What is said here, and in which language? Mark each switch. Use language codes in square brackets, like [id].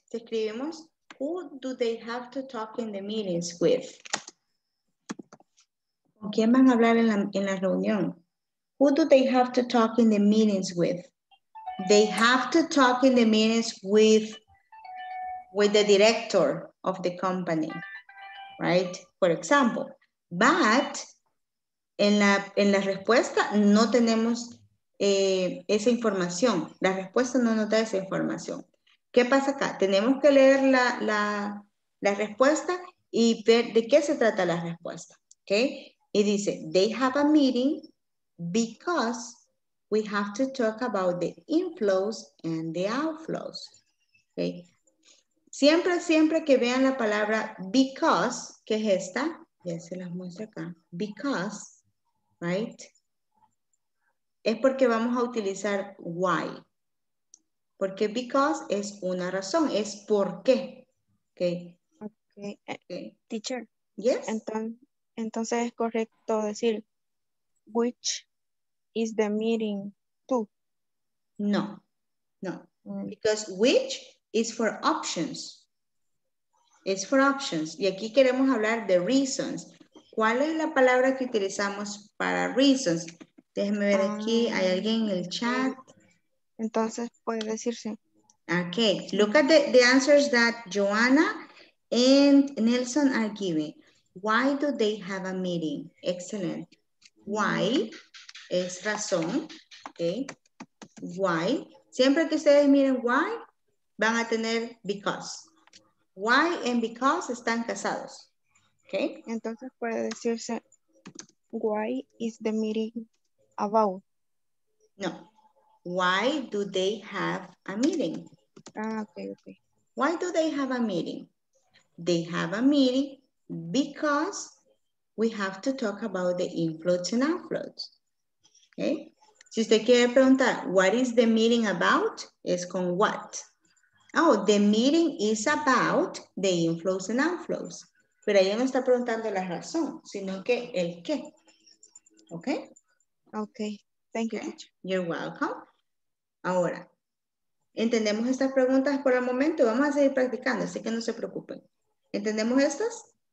[es] Te escribimos, [en] who do they have to talk in the meetings with? [es] ¿Con quién van a hablar en la reunión? [en] Who do they have to talk in the meetings with? They have to talk in the meetings with the director of the company, right? For example, but [es] En la respuesta no tenemos esa información. La respuesta no nos da esa información. ¿Qué pasa acá? Tenemos que leer la respuesta y ver de qué se trata la respuesta. ¿Okay? Y dice, [en] they have a meeting because we have to talk about the inflows and the outflows. [es] ¿Okay? Siempre, siempre que vean la palabra because, que es esta, ya se las muestro acá, because, right? Es porque vamos a utilizar why. Porque because es una razón, es por qué. Okay. [en] Okay. Teacher. Yes. [es] Entonces es correcto decir [en] which is the meeting to. No. No. Because which is for options. It's for options. [es] Y aquí queremos hablar de reasons. ¿Cuál es la palabra que utilizamos para reasons? Déjenme ver aquí, ¿hay alguien en el chat? Entonces puede decirse. [en] Okay, look at the answers that Joanna and Nelson are giving. Why do they have a meeting? Excellent. Why [es] es razón, [en] okay. [es] Why, siempre que ustedes miren why, van a tener because. Why and because están casados. Okay. Entonces puede decirse, [en] why is the meeting about? No. Why do they have a meeting? Okay. Why do they have a meeting? They have a meeting because we have to talk about the inflows and outflows. Okay? [es] Si usted quiere preguntar, [en] what is the meeting about? [es] Es con what. [en] Oh, the meeting is about the inflows and outflows. [es] Pero ella no está preguntando la razón, sino que el qué. [en] Okay? Okay. Thank you. Okay. You're welcome. [es] Ahora, ¿entendemos estas preguntas por el momento? Vamos a seguir practicando, así que no se preocupen. ¿Entendemos estas?